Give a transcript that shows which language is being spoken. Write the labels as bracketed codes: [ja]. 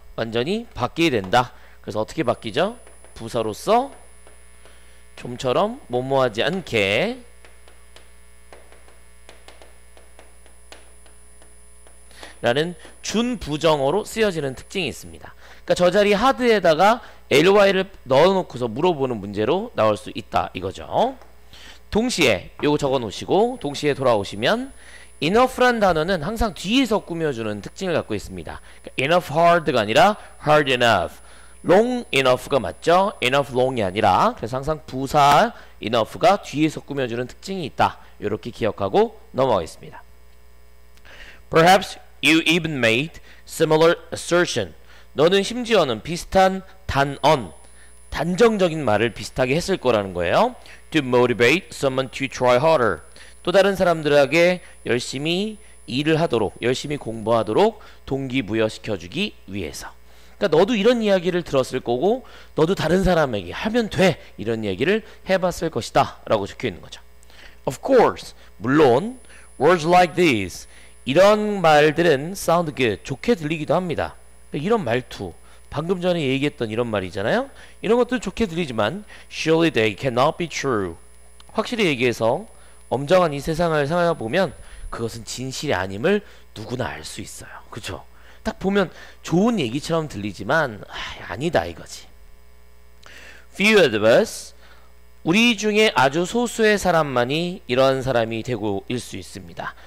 [ko] 완전히 바뀌게 된다. 그래서 어떻게 바뀌죠? 부사로서 좀처럼 뭐뭐하지 않게 라는 준부정어로 쓰여지는 특징이 있습니다. 그러니까 저 자리 하드에다가 ly를 넣어놓고서 물어보는 문제로 나올 수 있다 이거죠. 동시에 요거 적어놓으시고 동시에 돌아오시면 enough란 단어는 항상 뒤에서 꾸며주는 특징을 갖고 있습니다. 그러니까 enough hard가 아니라 hard enough long enough가 맞죠? enough long이 아니라 그래서 항상 부사 enough가 뒤에서 꾸며주는 특징이 있다. 이렇게 기억하고 넘어가겠습니다. [en] Perhaps you even made similar assertion. [ko] 너는 심지어는 비슷한 단언, 단정적인 말을 비슷하게 했을 거라는 거예요. [en] To motivate someone to try harder. [ko] 또 다른 사람들에게 열심히 일을 하도록, 열심히 공부하도록 동기부여시켜주기 위해서. 그러니까 너도 이런 이야기를 들었을 거고 너도 다른 사람에게 하면 돼 이런 이야기를 해봤을 것이다 라고 적혀있는 거죠. [en] Of course, [ko] 물론 [en] words like these [ko] 이런 말들은 [en] sound good, [ko] 좋게 들리기도 합니다. 그러니까 이런 말투, 방금 전에 얘기했던 이런 말이잖아요. 이런 것도 좋게 들리지만 [en] surely they cannot be true. [ko] 확실히 얘기해서 엄정한 이 세상을 생각해보면 그것은 진실이 아님을 누구나 알 수 있어요. 그쵸? 딱 보면 좋은 얘기처럼 들리지만 아니다 이거지. [en] Few of us, [ko] 우리 중에 아주 소수의 사람만이 이런 사람이 되고 일 수 있습니다.